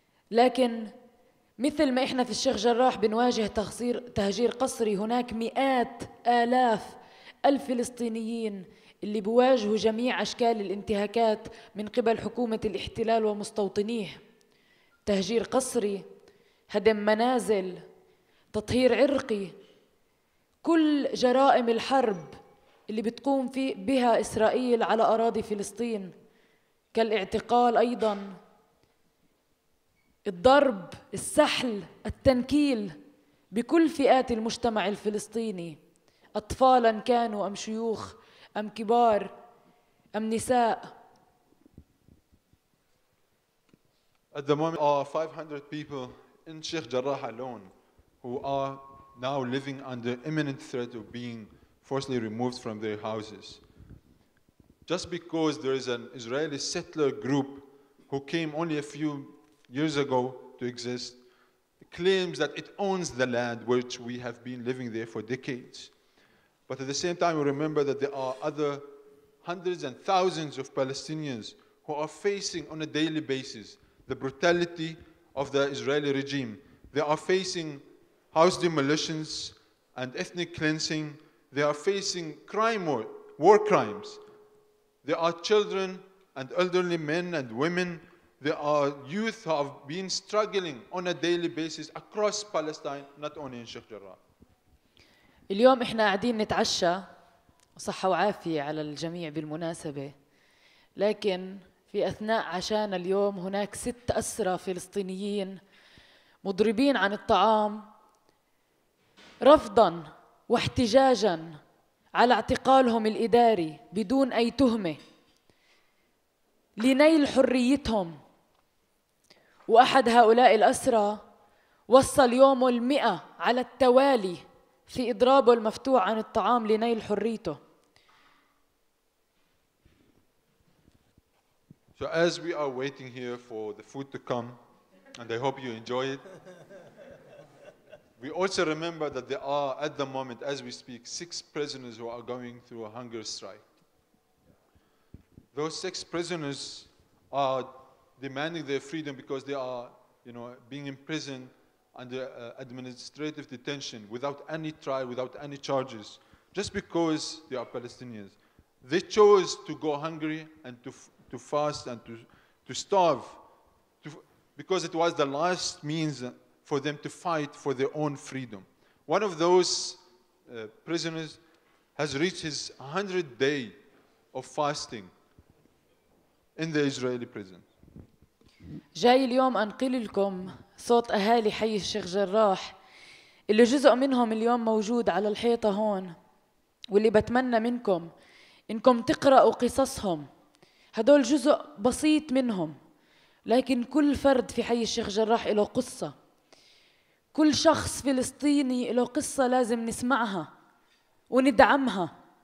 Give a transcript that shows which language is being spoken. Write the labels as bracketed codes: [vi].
[ar] لكن مثل ما إحنا في الشيخ جراح بنواجه تهجير قسري هناك مئات آلاف الفلسطينيين اللي بواجهوا جميع أشكال الانتهاكات من قبل حكومة الاحتلال ومستوطنيه تهجير قسري هدم منازل تطهير عرقي كل جرائم الحرب اللي بتقوم بها إسرائيل على أراضي فلسطين كالاعتقال أيضاً الضرب، السحل، التنكيل بكل فئات المجتمع الفلسطيني أطفالاً كانوا أم شيوخ أم كبار أم نساء [en] At the moment are 500 people in Sheikh Jarrah alone who are now living under imminent threat of being forcibly removed from their houses. Just because there is an Israeli settler group who came only a few years ago to exist, claims that it owns the land which we have been living there for decades. But at the same time, we remember that there are other hundreds and thousands of Palestinians who are facing on a daily basis the brutality of the Israeli regime. They are facing house demolitions and ethnic cleansing. They are facing crime or war crimes. There are children and elderly men and women. There are youth who have been struggling on a daily basis across Palestine, not only in Sheikh Jarrah. [ar] اليوم احنا قاعدين نتعشى وصحة وعافية على الجميع بالمناسبة لكن في أثناء عشانا اليوم هناك 6 أسرى فلسطينيين مضربين عن الطعام رفضاً واحتجاجاً على اعتقالهم الإداري بدون أي تهمة لنيل حريتهم وأحد هؤلاء الأسرى وصل يومه 100 على التوالي في إضرابه المفتوح عن الطعام لنيل حريته. [en] So as we are waiting here for the food to come, and I hope you enjoy it, we also remember that there are, at the moment, as we speak, 6 prisoners who are going through a hunger strike. Those 6 prisoners are demanding their freedom because they are, you know, being imprisoned under administrative detention without any trial, without any charges, just because they are Palestinians. They chose to go hungry and to fast and to starve because it was the last means for them to fight for their own freedom. One of those prisoners has reached his 100th day of fasting in the Israeli prison. [ar] جاي اليوم أنقل لكم صوت أهالي حي الشيخ جراح اللي جزء منهم اليوم موجود على الحيطة هون واللي بتمنى منكم إنكم تقرأوا قصصهم هدول جزء بسيط منهم لكن كل فرد في حي الشيخ جراح له قصة كل شخص فلسطيني له قصة لازم نسمعها وندعمها